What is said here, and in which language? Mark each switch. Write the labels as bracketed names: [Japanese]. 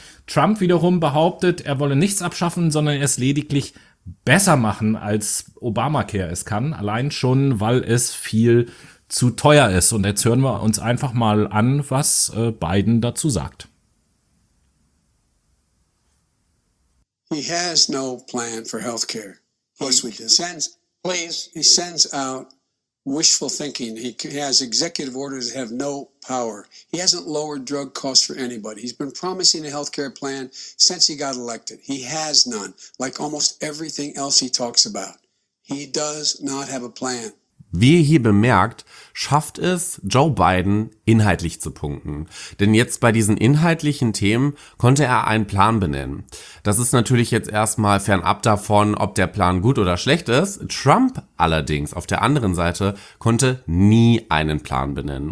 [German] Trump wiederum behauptet, er wolle nichts abschaffen, sondern es lediglich besser machen, als Obamacare es kann. Allein schon, weil es viel zu teuer ist. Und jetzt hören wir uns einfach mal an, was Biden dazu sagt. [English] He has no plan for healthcare. Yes, we do. He sends out wishful thinking. He has executive orders that have no power. He hasn't lowered drug costs for anybody. He's been promising a healthcare plan since he got elected. He has none, like almost everything else he talks about. He does not have a plan. [German] Wie ihr hier bemerkt, schafft es Joe Biden inhaltlich zu punkten. Denn jetzt bei diesen inhaltlichen Themen konnte er einen Plan benennen. Das ist natürlich jetzt erstmal fernab davon, ob der Plan gut oder schlecht ist. Trump allerdings auf der anderen Seite konnte nie einen Plan benennen.